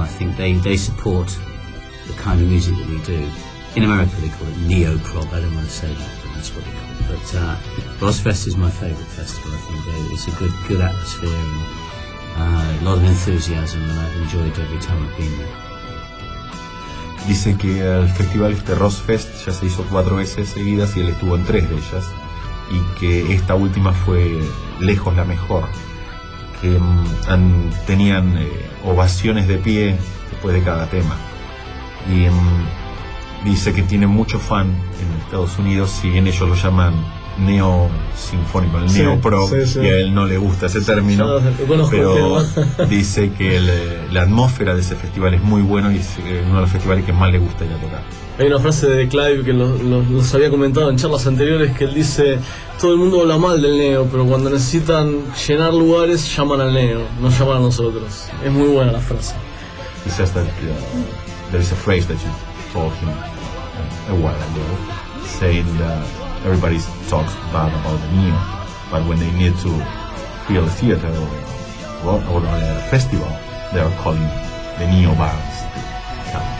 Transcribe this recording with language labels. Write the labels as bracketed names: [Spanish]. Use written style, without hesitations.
[English] I think they support the kind of music that we do. In America they call it neo-prog, I don't want to say that, but that's what they call it. But Rossfest is my favourite festival, I think. It's a good atmosphere and a lot of enthusiasm, and I've enjoyed every time I've been there. [Spanish] Dicen que el festival este Rossfest ya se hizo 4 veces seguidas y él estuvo en 3 de ellas, y que esta última fue lejos la mejor, que tenían ovaciones de pie después de cada tema. Y dice que tiene mucho fan en Estados Unidos, si bien ellos lo llaman neo sinfónico, el neo pro, y a él no le gusta ese término, pero dice que la atmósfera de ese festival es muy buena y es uno de los festivales que más le gusta ir a tocar. Hay una frase de Clive que los había comentado en charlas anteriores, que él dice: todo el mundo habla mal del neo, pero cuando necesitan llenar lugares llaman al neo, no llaman a nosotros. Es muy buena la frase. [English] He says that there is a phrase that you told him a while ago, saying that everybody talks bad about the neo, but when they need to feel a theater or a festival, they are calling the neo bands.